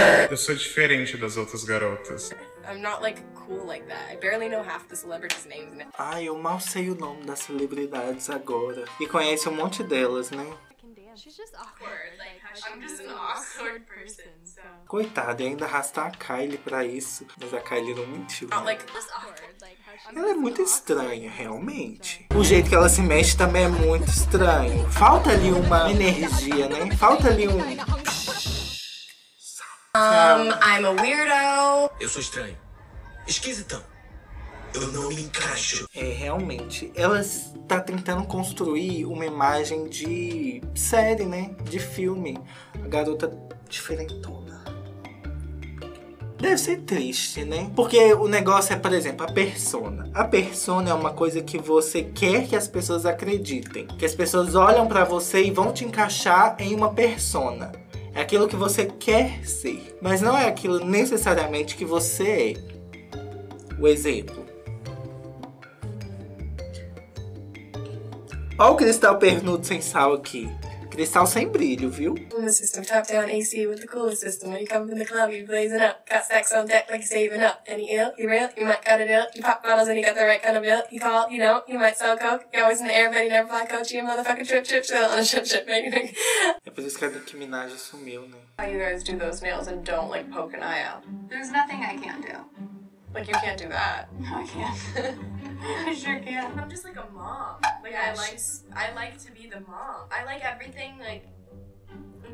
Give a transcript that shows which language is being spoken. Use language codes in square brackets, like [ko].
[pt] Eu sou diferente das outras garotas. [en] I'm not like cool like that. I barely know half the celebrities' names. [pt] Ai, eu mal sei o nome das celebridades agora. E conhece um monte delas, né? [en] She's just awkward. Like, I'm just an awkward person. So. [pt] Coitada, ainda arrastar a Kylie pra isso. Mas a Kylie não mentiu. [en] Not like just awkward. [pt] Ela é muito estranha, realmente. O jeito que ela se mexe também é muito estranho. Falta ali uma energia, né? Falta ali um... [en] I'm a weirdo. [pt] Eu sou estranho. Esquisitão. Eu não me encaixo. É, realmente. Ela está tentando construir uma imagem de série, né? De filme. A garota diferentona. Deve ser triste, né? Porque o negócio é, por exemplo, a persona. A persona é uma coisa que você quer que as pessoas acreditem. Que as pessoas olham pra você e vão te encaixar em uma persona. É aquilo que você quer ser. Mas não é aquilo necessariamente que você é. O exemplo. Olha o cristal pernudo sem sal aqui. Cristal sem brilho, viu? [en] The system top down AC with the cooling system. When you come in the club, you're blazing up. Got sex on deck like you're saving up. Any ill, you real, you might cut it ill. You pop bottles and you got the right kind of bill. You call, you know, you might sell coke. You're always in the air, but you never fly coach. You motherfucking trip, trip, chill, on a ship, ship, anything. [pt] É por isso que a Nicki Minaj sumiu, né? [en] How you guys do those nails and don't, like, poke an eye out. There's nothing I can't do. Like, you can't do that. No, I can't. I sure can. I'm just like a mom. Like, yeah, I like to be the mom. I like everything, like, in